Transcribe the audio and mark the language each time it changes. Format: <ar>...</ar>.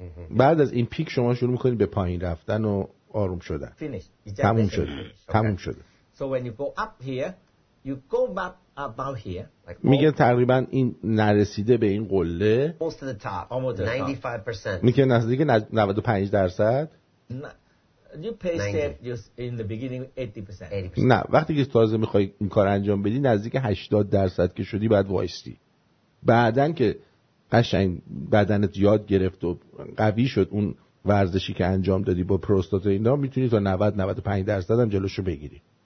<fa>بعد از این پیک شما شروع میکنید به پایین رفتن و آروم شدن.</fa> <en>Finish.</en> <fa>تموم شد. تموم شد.</fa> <en>So when you go up here, you go back about here.</en> <fa>میگه تقریبا این نرسیده به این قله.</fa> <en>Almost to the top. Almost to 95%.</en> <fa>میگه نزدیک 95%.</fa> <en>You pay just in the beginning 80%.</en> <fa>نه وقتی که تازه میخوای این کار انجام بدی نزدیک 80% که شدی بعد وایستی. بعدن که قشنگ بدنت یاد گرفت و قوی شد اون ورزشی که انجام دادی با پروستات اینا میتونی تا 90-95% هم جلوشو بگیری.</fa>